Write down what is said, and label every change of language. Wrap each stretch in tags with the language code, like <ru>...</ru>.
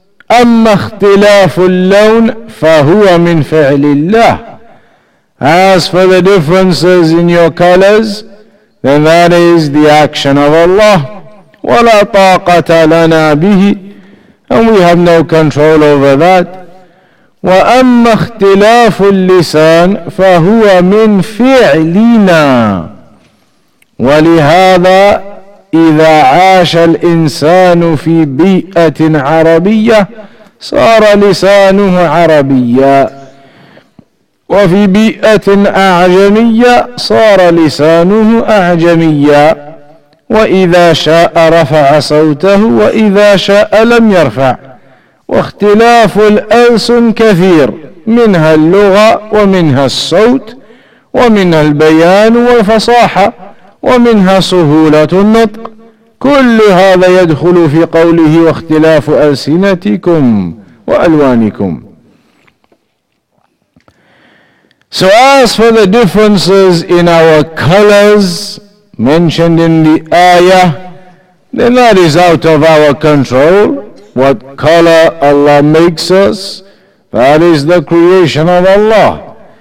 <ar>أما اختلاف اللون فهو من فعل الله.</ar> <en>As for the differences in your colors, then that is the action of Allah.</en> <ar>ولا طاقة لنا به,</ar> <en>and we have no control over that.</en> <ar>وأما اختلاف اللسان فهو من فعلنا. ولهذا إذا عاش الإنسان في بيئة عربية صار لسانه عربيا, وفي بيئة أعجمية صار لسانه أعجميا, وإذا شاء رفع صوته وإذا شاء لم يرفع. واختلاف الألسن كثير, منها اللغة ومنها الصوت ومنها البيان والفصاحة ومنها سهولة النطق, كل هذا يدخل في قوله واختلاف ألسنتكم وألوانكم.</ar> <en>So as for the differences in our colors mentioned in the ayah, then that is out of our control. What color Allah makes us, that is the creation of Allah.</en>